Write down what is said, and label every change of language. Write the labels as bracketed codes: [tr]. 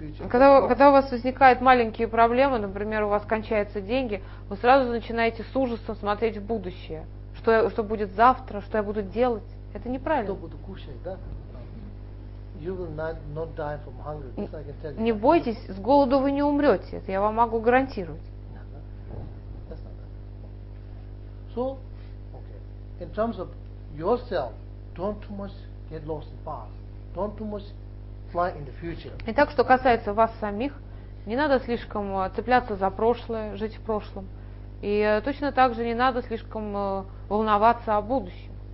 [ru] Когда у вас возникают маленькие проблемы, например, у вас кончаются деньги, вы сразу начинаете с ужасом смотреть в будущее. Что будет завтра, что я буду делать. Это неправильно. Что буду кушать, да? [en] You will not die from hunger. This I can tell you. [ru] Не бойтесь, с голоду вы не умрете. Это я вам могу гарантировать. [en] So, okay. In terms of yourself, don't too much get lost in the past. Don't too much fly in the future. [ru] Итак, что касается вас самих, не надо слишком цепляться за прошлое, жить в прошлом. И точно так же не надо слишком волноваться о будущем.